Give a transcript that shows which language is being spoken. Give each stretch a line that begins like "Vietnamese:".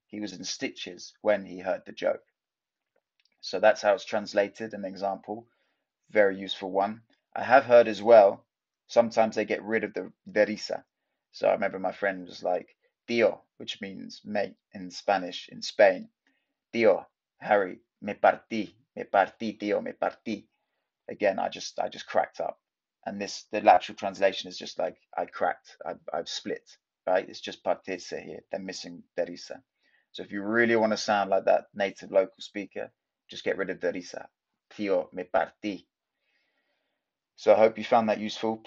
English: He was in stitches when he heard the joke. So that's how it's translated, an example, very useful one. I have heard as well, sometimes they get rid of the de risa. So I remember my friend was like, tío, which means mate in Spanish, in Spain.
Spanish: Tío, Harry, me partí, tío, me partí.
English: Again, I just cracked up. And this, the actual translation is just like, I've split, right? It's just partirse here, they're missing de risa. So if you really want to sound like that native local speaker, just get rid of the risa.
Spanish: Tío, me partí.
English: So I hope you found that useful.